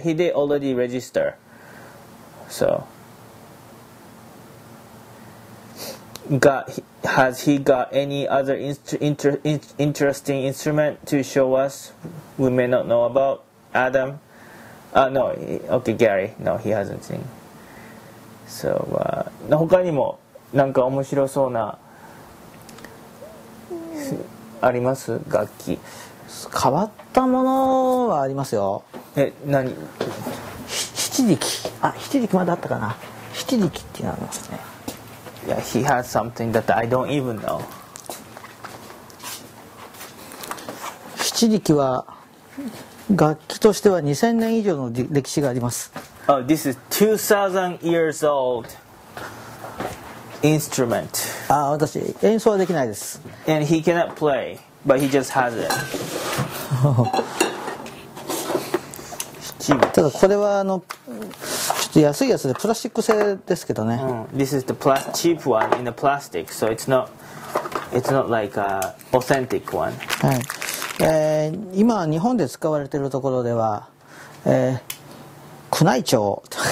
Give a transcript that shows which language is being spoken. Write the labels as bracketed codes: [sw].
[en] He did already register. So. Has he got any other interesting instrument to show us we may not know about? Adam? No. Okay, Gary. No, he hasn't seen. [ja] So, 他にも何か面白そうなあります楽器。変わったものはありますよ。え、何？七力。あ、七力まだあったかな。七力っていうのありますね。 [en] Yeah, he has something that I don't even know. [ja] 七力は楽器としては2000年以上の歴史があります。 [en] Oh, this is 2000 years old instrument. [ja] ああ、私演奏はできないです。 [en] And he cannot play, but he just has it. [ja] 七力。ただこれはちょっと安いやつでプラスチック製ですけどね。 [en] This is the cheap one in the plastic, so it's not like a authentic one. [ja] はい。今日本で使われているところでは、宮内庁。